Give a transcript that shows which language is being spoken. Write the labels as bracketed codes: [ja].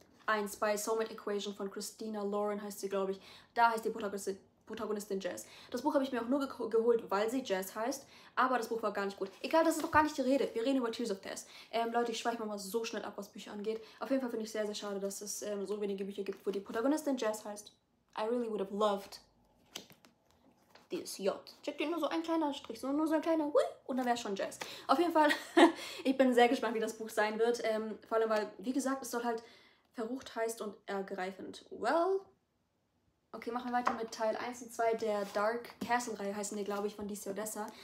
[de] Eins bei Soulmate Equation von Christina Lauren heißt sie, glaube ich. Da heißt die Protagonistin Jazz. Das Buch habe ich mir auch nur geholt, weil sie Jazz heißt. Aber das Buch war gar nicht gut. Egal, das ist doch gar nicht die Rede. Wir reden über Tears of Tess. Leute, ich schweife mal so schnell ab, was Bücher angeht. Auf jeden Fall finde ich es sehr, sehr schade, dass es so wenige Bücher gibt, wo die Protagonistin Jazz heißt. [en] I really would have loved [de] dieses J. Check dir nur so ein kleiner Strich, nur so ein kleiner Hui, und dann wäre es schon Jazz. Auf jeden Fall, ich bin sehr gespannt, wie das Buch sein wird. Vor allem, weil, wie gesagt, es soll halt verrucht heißt und ergreifend. Well... Okay, machen wir weiter mit Teil 1 und 2 der Dark Castle-Reihe, heißen die, glaube ich, von DC Odessa.